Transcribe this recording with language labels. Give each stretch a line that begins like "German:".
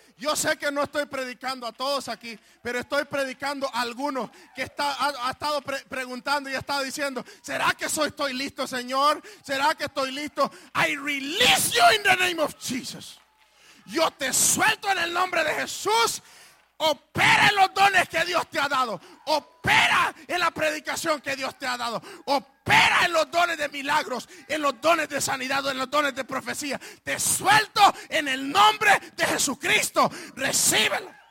Spanish: Yo sé que no estoy predicando a todos aquí, pero estoy predicando a algunos que ha estado preguntando y ha estado diciendo, ¿será que estoy listo, Señor? ¿Será que estoy listo?
English: I release you in the name of Jesus.
Spanish: Yo te suelto en el nombre de Jesús. Opera en los dones que Dios te ha dado. Opera en la predicación que Dios te ha dado. Opera en los dones de milagros, en los dones de sanidad, en los dones de profecía. Te suelto en el nombre de Jesucristo. Recíbelo.